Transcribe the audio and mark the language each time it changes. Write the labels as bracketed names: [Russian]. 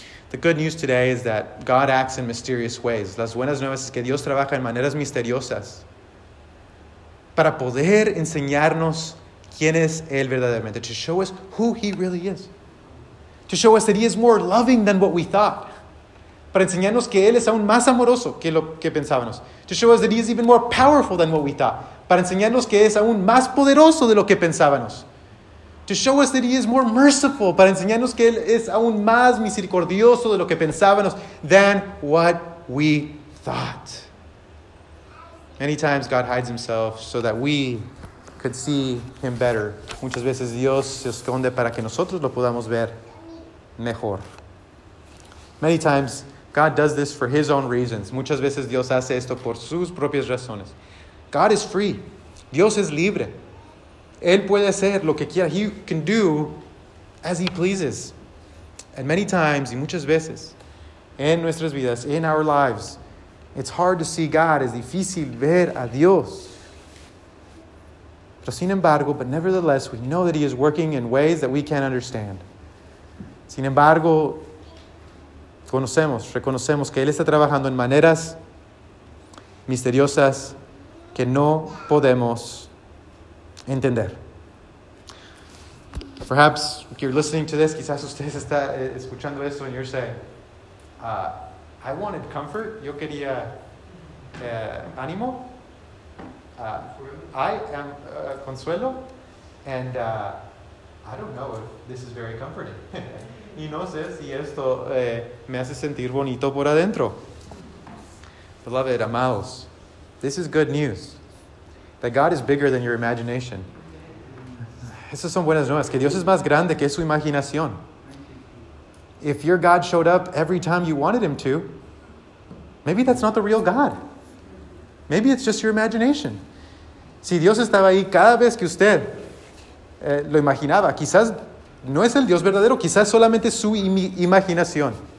[English] The good news today is that God acts in mysterious ways. [Spanish] Las buenas nuevas es que Dios trabaja en maneras misteriosas para poder enseñarnos quién es él verdaderamente, [English] to show us who he really is, to show us that he is more loving than what we thought, [Spanish] para enseñarnos que él es aún más amoroso que lo que pensábamos, [English] to show us that he is even more powerful than what we thought, [Spanish] para enseñarnos que es aún más poderoso de lo que pensábamos, [English] to show us that he is more merciful, [Spanish] para enseñarnos que él es aún más misericordioso de lo que pensábamos, [English] than what we thought. Many times God hides himself so that we could see him better. [Spanish] Muchas veces Dios se esconde para que nosotros lo podamos ver mejor. [English] Many times God does this for his own reasons. [Spanish] Muchas veces Dios hace esto por sus propias razones. [English] God is free. [Spanish] Dios es libre. Él puede hacer lo que quiera. [English] He can do as he pleases. And many times, [Spanish] y muchas veces, en nuestras vidas, [English] in our lives, it's hard to see God. [Spanish] Es difícil ver a Dios. Pero sin embargo, [English] but nevertheless, we know that he is working in ways that we can't understand. [Spanish] Sin embargo, reconocemos que él está trabajando en maneras misteriosas que no podemos entender. [English] Perhaps if you're listening to this, [Spanish] quizás ustedes está escuchando esto [English] and you're saying, I wanted comfort. [Spanish] Yo quería ánimo. [English] I am [Spanish] consuelo. [English] And I don't know if this is very comforting. [Spanish] Y no sé si esto me hace sentir bonito por adentro. [English] Beloved, amados, this is good news. That God is bigger than your imagination. [Spanish] Esas son buenas nuevas. Que Dios es más grande que su imaginación. [English] If your God showed up every time you wanted him to, maybe that's not the real God. Maybe it's just your imagination. [Spanish] Si Dios estaba ahí cada vez que usted lo imaginaba, quizás no es el Dios verdadero, quizás solamente su imaginación.